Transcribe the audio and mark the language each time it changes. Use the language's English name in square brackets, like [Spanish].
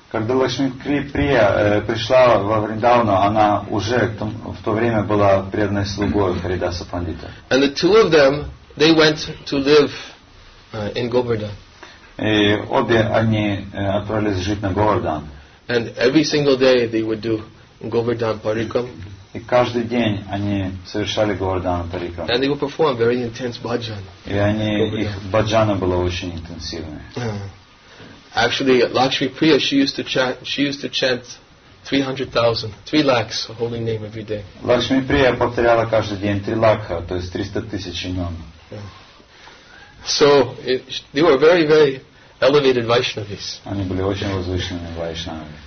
[Russian] Когда Лакшми Прия пришла во Вриндавану, она уже в то время была преданной слугой Харидаса Пандита. [English] And the two of them, they went to live in Govardhan. [Russian] И обе они отправились жить на Говардхан. [English] And every single day they would do Govardhan Parikram. [Russian] И каждый день они совершали Говардхана Парикрама. [English] And they would perform very intense bhajan. [Russian] И они, их bhajana была очень интенсивная. [English] Actually, Lakshmi Priya, she used to chant 300,000, 3 lakhs a holy name every day. [Russian] Лакшми Прия повторяла каждый день 3 лакха, то есть 300 тысяч имен. [English] So they were very, very elevated Vaishnavis. [Russian] Они были очень возвышенными Вайшнавами.